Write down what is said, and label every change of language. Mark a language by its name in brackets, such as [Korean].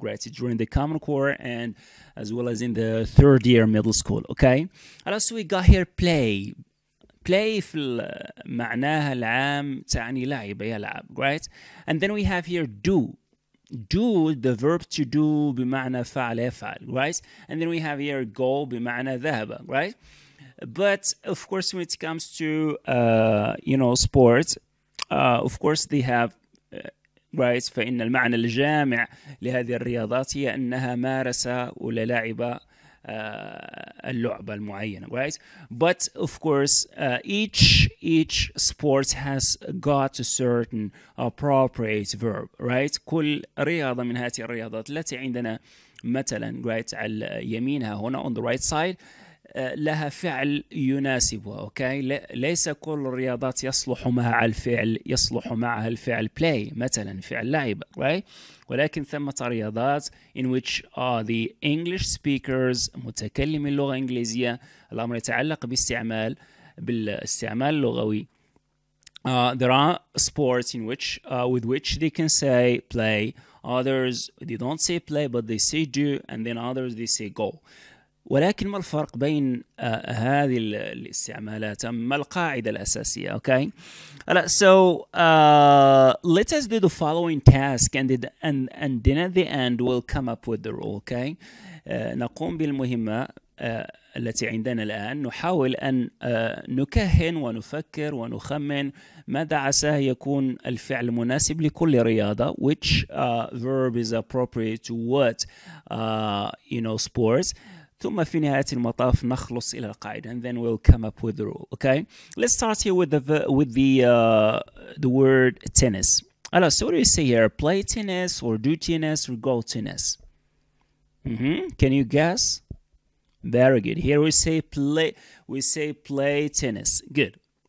[English] Great. During the common core and as well as in the third year middle school. Okay. Also we got here play. [Arabic] Play في معناها العام تعني لعب يلعب. [English] Great. And then we have here do. Do, the verb to do [Arabic] بمعنى فعل يفعل. [English] Right. And then we have here go [Arabic] بمعنى ذهب. [English] Right. But of course, when it comes to you know, sports, of course they have right. [Arabic] فإن المعنى الجامع لهذه الرياضات هي أنها مارسة ولا لعبة اللعبة المعينة. Right? [English] But of course, each sport has got a certain appropriate verb. Right? [Arabic] كل رياضة من هذه الرياضات التي عندنا مثلا right, على يمينها هنا [English] on the right side [Arabic] لها فعل يناسبها. [English] Okay? [Arabic] ليس كل الرياضات يصلح معها الفعل play مثلا فعل لعب. [English] Right? [Arabic] ولكن ثمة رياضات [English] in which are the English speakers [Arabic] متكلم اللغة الإنجليزية الأمر يتعلق باستعمال بالاستعمال اللغوي. [English] There are sports in which with which they can say play. Others they don't say play but they say do, and then others they say go. [Arabic] ولكن ما الفرق بين هذه الاستعمالات؟ ما القاعدة الأساسية؟ okay. [English] So let us do the following task and then at the end we'll come up with the rule. okay. [Arabic] نقوم بالمهمة التي عندنا الآن، نحاول أن نكهن ونفكر ونخمن ماذا عسى يكون الفعل المناسب لكل رياضة، [English] which verb is appropriate to what you know sports. [Arabic] ثم في نهاية المطاف نخلص إلى القاعدة. [English] And then we'll come up with the rule. Okay. Let's start here with the word tennis. Hello. So what do you say here? Play tennis or do tennis or go tennis? Mm-hmm. Can you guess? Very good. Here we say play. We say play tennis. Good.